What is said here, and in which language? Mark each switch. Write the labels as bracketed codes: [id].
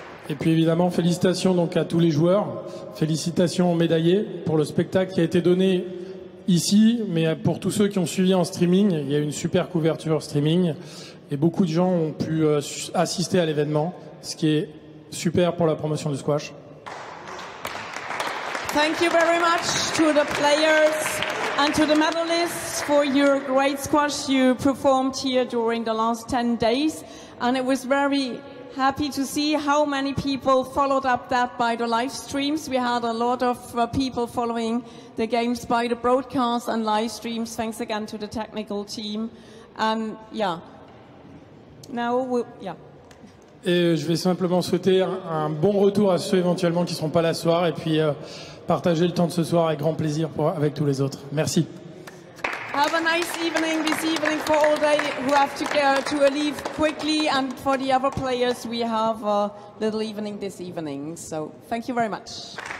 [fr] Et puis évidemment, félicitations donc à tous les joueurs, félicitations aux médaillés pour le spectacle qui a été donné ici, mais pour tous ceux qui ont suivi en streaming, il y a eu une super couverture streaming et beaucoup de gens ont pu assister à l'événement, ce qui est super pour la promotion du squash. [en] Thank you very much to the players and to the medalists for your great squash you performed here during the last 10 days and it was very happy to see how many people followed up that by the live streams. We had a lot of people following the games by the broadcast and live streams. Thanks again to the technical team. And yeah. Now we'll, yeah. [fr] Et je vais simplement souhaiter un bon retour à ceux éventuellement qui ne sont pas là ce soir et puis partager le temps de ce soir avec grand plaisir avec tous les autres. Merci. [en] Have a nice evening this evening for all day who have to leave quickly, and for the other players, we have a little evening this evening. So thank you very much.